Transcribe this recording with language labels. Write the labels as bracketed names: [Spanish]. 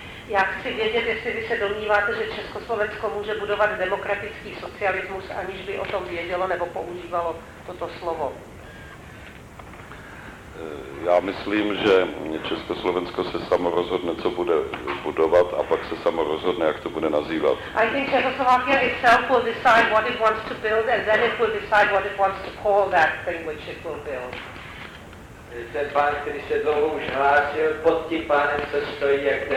[Czech] Já chci vědět, jestli vy se domníváte, že Československo může budovat demokratický socialismus, aniž by o tom vědělo nebo používalo toto slovo. Já myslím, že Československo se samo rozhodne, co bude budovat, a pak se samo rozhodne, jak to bude nazývat. [English] I think Czechoslovakia itself will decide what it wants to build, and then it will decide what it wants to call that thing which it will build. [Czech] Ten pán, který se dlouho už hlásil, pod tím pánem se stojí, jak ten